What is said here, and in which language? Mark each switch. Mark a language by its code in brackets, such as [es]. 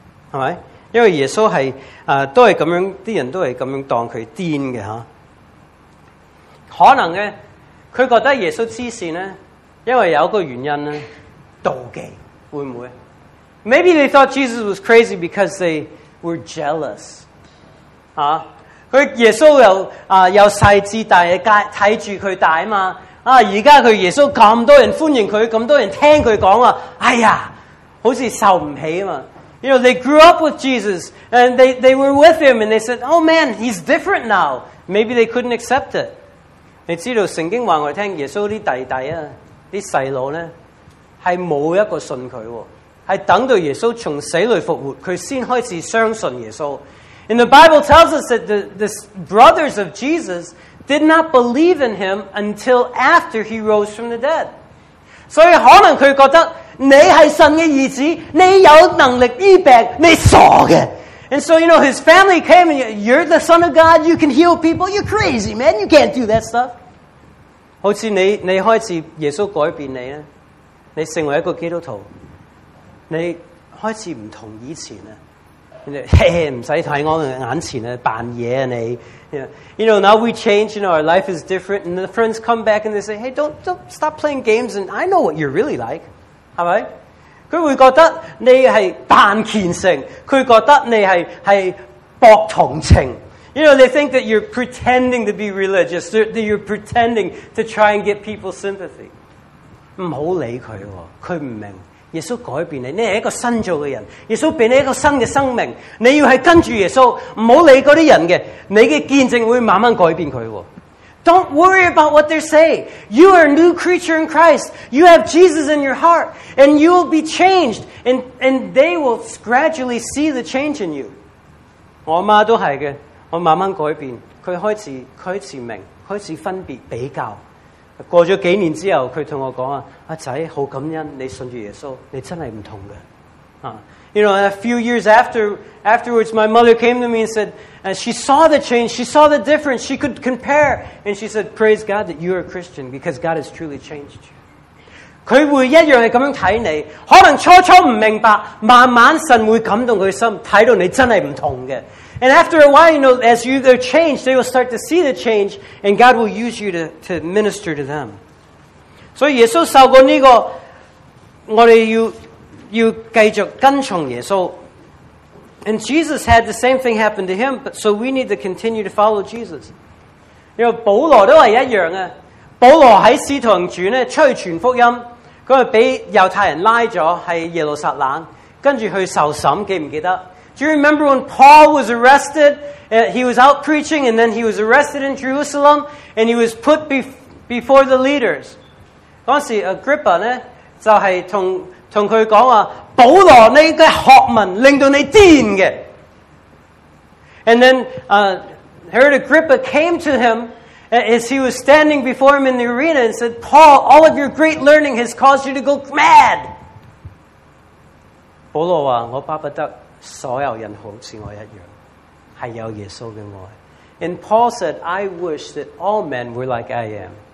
[zh] 是不是？因为耶稣是，都是这样，那人都是这样当他癫的。可能呢，他觉得耶稣痴线呢，因为有一个原因呢，妒忌，会不会？ [en] Maybe they thought Jesus was crazy because they were jealous. [zh] 啊，他耶稣有啊有细致，但系睇住佢大嘛。啊，而家佢耶稣咁多人欢迎佢，咁多人听佢讲啊，哎呀，好似受唔起嘛。 [en] You know, they grew up with Jesus and they were with him and they said, oh man, he's different now. Maybe they couldn't accept it. [zh] 你知道圣经话我听耶稣啲弟弟啊，啲细佬咧，系冇一个信佢，系等到耶稣从死里复活，佢先开始相信耶稣。 [en] And the Bible tells us that the brothers of Jesus did not believe in him until after he rose from the dead. [zh] 所以可能佢觉得你系神嘅儿子，你有能力医病，你傻嘅。 [en] And so, you know, his family came and you're the son of God, you can heal people, you're crazy, man, you can't do that stuff. [zh] 好似你开始耶稣改变你，你成为一个基督徒，你开始不同以前，不用看我眼前扮野你。 [en] You know, now we change, you know, our life is different, and the friends come back and they say, hey, don't stop playing games, and I know what you're really like, all right? [zh] 他会觉得你是扮虔诚，他会觉得你是博同情。 [en] You know, they think that you're pretending to be religious, that you're pretending to try and get people's sympathy. [zh] 不要理他，他不明白。耶稣改变你，你是一个新造的人，耶稣给你一个新的生命，你要是跟着耶稣，不要理那些人的，你的见证会慢慢改变他。 [en] Don't worry about what they say. You are a new creature in Christ. You have Jesus in your heart. And you will be changed. And they will gradually see the change in you. [zh] 我妈都是的，我慢慢改变，她开始明白，开始分别比较。过了几年之后，她跟我说，阿仔，好感恩你信着耶稣，你真的不同的。 [en] You know, a few years afterwards, my mother came to me and said, and she saw the change, she saw the difference, she could compare. And she said, praise God that you are a Christian, because God has truly changed you. [zh] 他会一样是这样看你，可能初初不明白，慢慢神会感动他的心，看到你真的不同的。 [en] And after a while, you know, as you change, they will start to see the change, and God will use you to minister to them. [zh] 所以耶稣受过这个，我们要继续跟从耶稣。 [en] And Jesus had the same thing happen to him, but so we need to continue to follow Jesus. You know, [zh] 保罗都是一样的。保罗在使徒行传出去传福音，他被犹太人拉了，在耶路撒冷。跟住去受审，记唔记得？ [en] Do you remember when Paul was arrested? He was out preaching and then he was arrested in Jerusalem and he was put before the leaders. [zh] 当时 Agrippa 呢就是同他讲啊，保罗你的学问令到你癫嘅。 [en] And then heard Agrippa came to him as he was standing before him in the arena and said, Paul, all of your great learning has caused you to go mad. [zh] 保罗话，我巴不得所有人好似我一样，系有耶稣嘅爱。 [en] And Paul said, I wish that all men were like I am.